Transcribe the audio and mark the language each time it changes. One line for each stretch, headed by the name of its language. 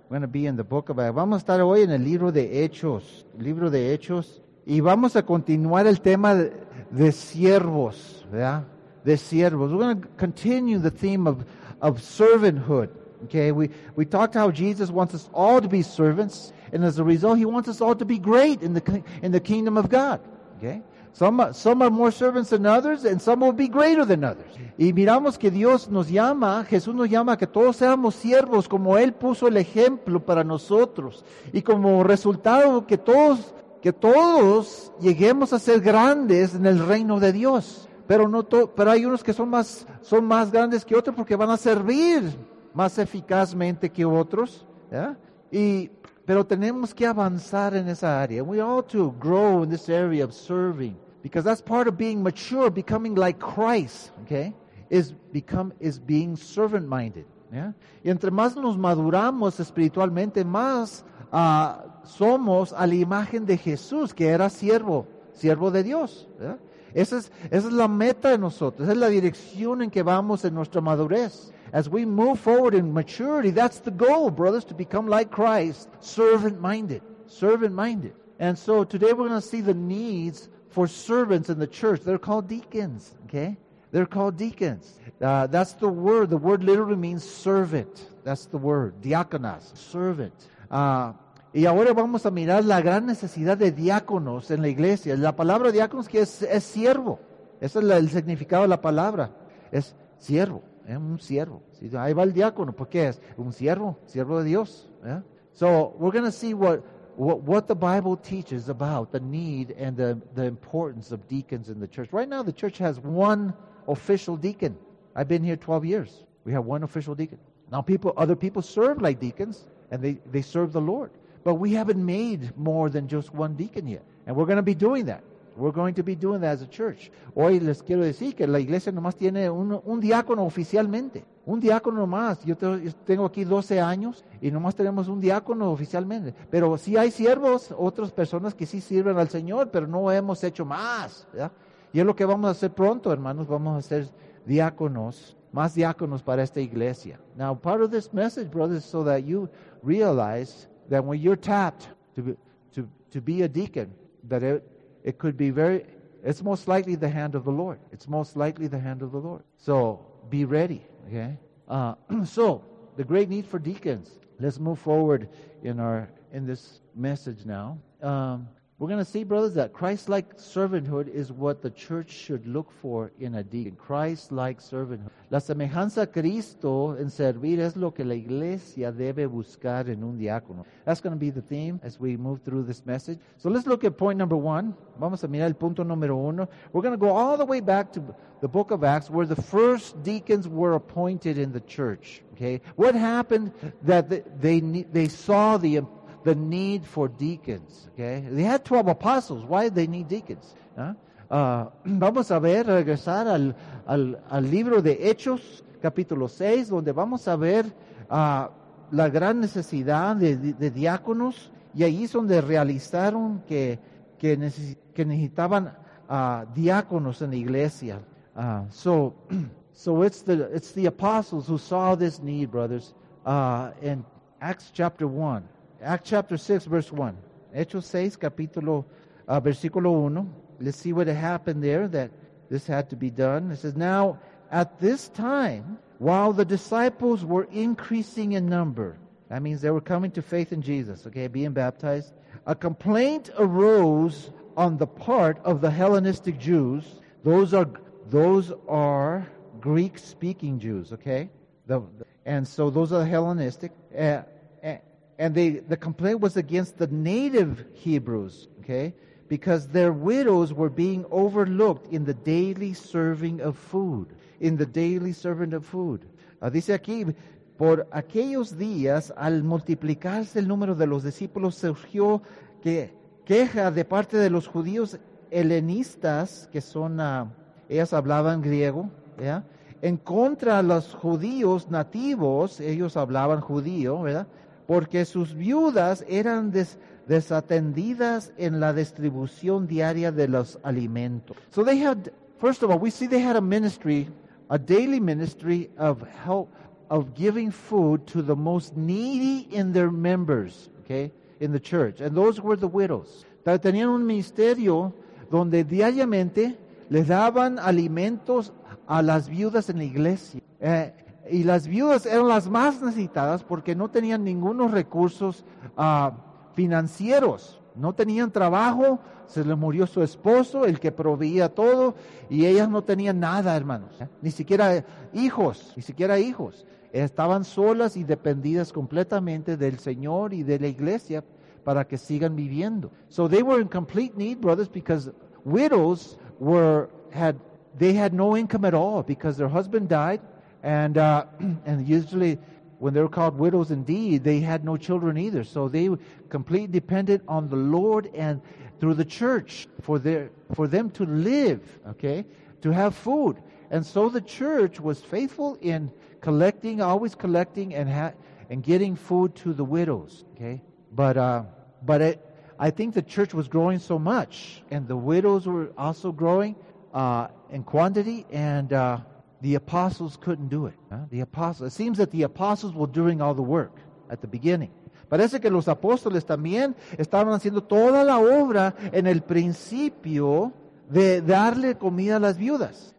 Spanish: Vamos a estar hoy en el libro de Hechos. Libro de Hechos. Y vamos a continuar el tema de siervos, ¿verdad? De siervos.
English: We're going to continue the theme of servanthood. Okay, we talked how Jesus wants us all to be servants, and as a result, he wants us all to be great in the kingdom of God. Okay, some are more servants than others, and some will be greater than others.
Spanish: Y miramos que Dios nos llama, Jesús nos llama a que todos seamos siervos como él puso el ejemplo para nosotros, y como resultado que todos lleguemos a ser grandes en el reino de Dios. Pero no todo, pero hay unos que son más grandes que otros porque van a servir más eficazmente que otros, ¿ya? Y pero tenemos que avanzar en esa área.
English: We all to grow in this area of serving, because that's part of being mature, becoming like Christ, okay? Is being servant minded, ¿ya?
Spanish: Y entre más nos maduramos espiritualmente, más somos a la imagen de Jesús, que era siervo de Dios, ¿ya? Esa es la meta de nosotros, esa es la dirección en que vamos en nuestra madurez.
English: As we move forward in maturity, that's the goal, brothers, to become like Christ, servant-minded. And so today we're going to see the needs for servants in the church. They're called deacons, okay? They're called deacons. That's the word. The word literally means servant. That's the word, diáconos, servant.
Spanish: Y ahora vamos a mirar la gran necesidad de diáconos en la iglesia. La palabra diáconos que es siervo. Ese es el significado de la palabra, es siervo. Es un siervo. Ahí va el diácono. ¿Por qué es? Un siervo. Siervo de Dios. Yeah?
English: So, we're going to see what the Bible teaches about the need and the importance of deacons in the church. Right now, the church has one official deacon. I've been here 12 years. We have one official deacon. Now, other people serve like deacons, and they serve the Lord. But we haven't made more than just one deacon yet. And we're going to be doing that. We're going to be doing that as a church.
Spanish: Hoy les quiero decir que la iglesia nomás tiene un diácono oficialmente. Un diácono nomás. Yo tengo aquí 12 años y nomás tenemos un diácono oficialmente. Pero sí hay siervos, otras personas que sí sirven al Señor, pero no hemos hecho más, ¿verdad? Y es lo que vamos a hacer pronto, hermanos. Vamos a hacer diáconos, más diáconos para esta iglesia.
English: Now, part of this message, brothers, so that you realize that when you're tapped to be a deacon, that it could be very, it's most likely the hand of the Lord. It's most likely the hand of the Lord. So, be ready, okay? So, the great need for deacons. Let's move forward in this message now. We're going to see, brothers, that Christ-like servanthood is what the church should look for in a deacon. Christ-like servanthood.
Spanish: La semejanza a Cristo en servir es lo que la iglesia debe buscar en un diácono.
English: That's going to be the theme as we move through this message. So let's look at point number one.
Spanish: Vamos a mirar el punto número uno.
English: We're going to go all the way back to the book of Acts, where the first deacons were appointed in the church. Okay, what happened that they saw the need for deacons, okay? They had 12 apostles. Why did they need deacons?
Spanish: Vamos a ver, regresar al libro de Hechos, capítulo 6, donde vamos a ver la gran necesidad de diáconos, y ahí es donde realizaron que necesitaban diáconos en la iglesia.
English: So it's the apostles who saw this need, brothers, in Acts chapter 1. Acts chapter 6, verse 1.
Spanish: Hechos 6, capítulo, versículo 1.
English: Let's see what happened there, that this had to be done. It says, now, at this time, while the disciples were increasing in number, that means they were coming to faith in Jesus, okay, being baptized, a complaint arose on the part of the Hellenistic Jews. Those are Greek-speaking Jews, okay? And so those are Hellenistic. And the complaint was against the native Hebrews, okay, because their widows were being overlooked in the daily serving of food.
Spanish: Dice aquí, por aquellos días, al multiplicarse el número de los discípulos, surgió queja de parte de los judíos helenistas, que son, ellas hablaban griego, ¿verdad? En contra de los judíos nativos, ellos hablaban judío, ¿verdad?, porque sus viudas eran desatendidas en la distribución diaria de los alimentos.
English: So they had First of all, we see they had a ministry, a daily ministry of help, of giving food to the most needy in their members, okay, in the church. And those were the widows.
Spanish: Tenían un ministerio donde diariamente les daban alimentos a las viudas en la iglesia. Y las viudas eran las más necesitadas porque no tenían ningunos recursos financieros. No tenían trabajo, se les murió su esposo, el que proveía todo, y ellas no tenían nada, hermanos. Ni siquiera hijos. Estaban solas y dependidas completamente del Señor y de la iglesia para que sigan viviendo.
English: So they were in complete need, brothers, because widows had no income at all because their husband died. And usually when they were called widows indeed, they had no children either. So they were completely dependent on the Lord and through the church for them to live, okay, to have food. And so the church was faithful in collecting, always collecting and getting food to the widows, okay? But I think the church was growing so much, and the widows were also growing in quantity, and the apostles couldn't do it. Huh? It seems that the apostles were doing all the work at the beginning.
Spanish: Parece que los apóstoles también estaban haciendo toda la obra en el principio de darle comida a las viudas.